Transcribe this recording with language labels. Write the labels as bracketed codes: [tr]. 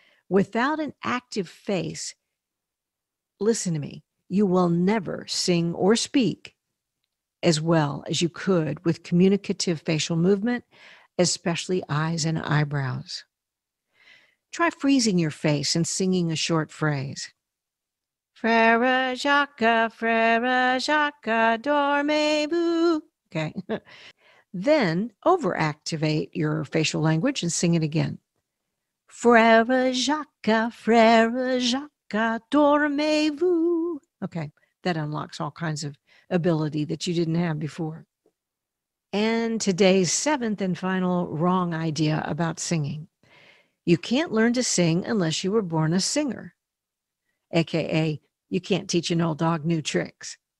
[en] Without an active face, listen to me, you will never sing or speak as well as you could with communicative facial movement, especially eyes and eyebrows. Try freezing your face and singing a short phrase. [fr] Frère Jacques, Frère Jacques, dormez-vous. [en] Okay. Then overactivate your facial language and sing it again. [fr] Frère Jacques, Frère Jacques, dormez-vous. [en] Okay. That unlocks all kinds of ability that you didn't have before. And today's seventh and final wrong idea about singing. You can't learn to sing unless you were born a singer, aka you can't teach an old dog new tricks.